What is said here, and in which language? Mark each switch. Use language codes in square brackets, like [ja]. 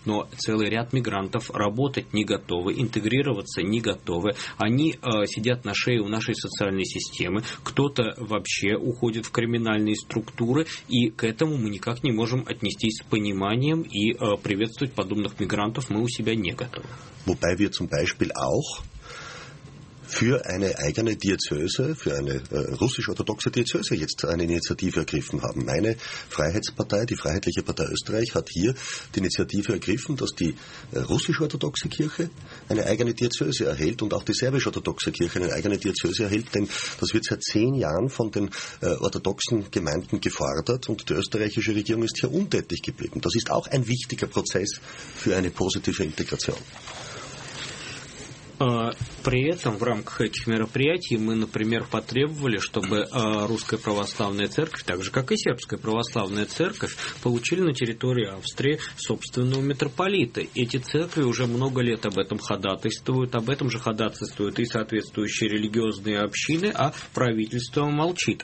[ru] Но целый ряд мигрантов работать не готовы, интегрироваться не готовы. Они сидят на шее у нашей социальной системы. Кто-то вообще уходит в криминальные структуры, и к этому мы никак не можем отнестись с пониманием, и приветствовать подобных мигрантов мы у себя не готовы. [de] Wobei wir zum Beispiel auch für eine eigene Diözese, für eine russisch-orthodoxe Diözese jetzt eine Initiative ergriffen haben. Meine Freiheitspartei, die Freiheitliche Partei Österreich, hat hier die Initiative ergriffen, dass die russisch-orthodoxe Kirche eine eigene Diözese erhält und auch die serbisch-orthodoxe Kirche eine eigene Diözese erhält, denn das wird seit 10 Jahren von den orthodoxen Gemeinden gefordert und die österreichische Regierung ist hier untätig geblieben. Das ist auch ein wichtiger Prozess für eine positive Integration. [ru] При этом в рамках этих мероприятий мы, например, потребовали, чтобы Русская Православная Церковь, так же, как и Сербская Православная Церковь, получили на территории Австрии собственного митрополита. Эти церкви уже много лет об этом ходатайствуют, об этом же ходатайствуют и соответствующие религиозные общины, а правительство молчит.